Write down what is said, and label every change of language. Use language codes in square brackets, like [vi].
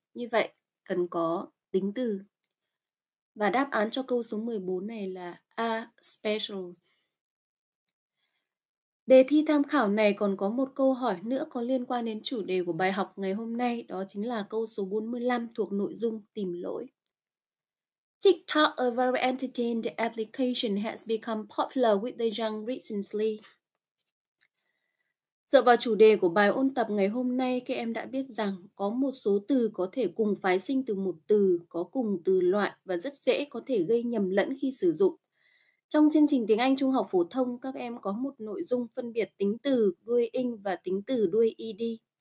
[vi] Như vậy, cần có tính từ. Và đáp án cho câu số 14 này là A, special. Đề thi tham khảo này còn có một câu hỏi nữa có liên quan đến chủ đề của bài học ngày hôm nay. Đó chính là câu số 45 thuộc nội dung tìm lỗi. [en] TikTok, a very entertained application, has become popular with the young recently. [vi] Dựa vào chủ đề của bài ôn tập ngày hôm nay, các em đã biết rằng có một số từ có thể cùng phái sinh từ một từ, có cùng từ loại và rất dễ có thể gây nhầm lẫn khi sử dụng. Trong chương trình tiếng Anh trung học phổ thông, các em có một nội dung phân biệt tính từ đuôi ing và tính từ đuôi ed.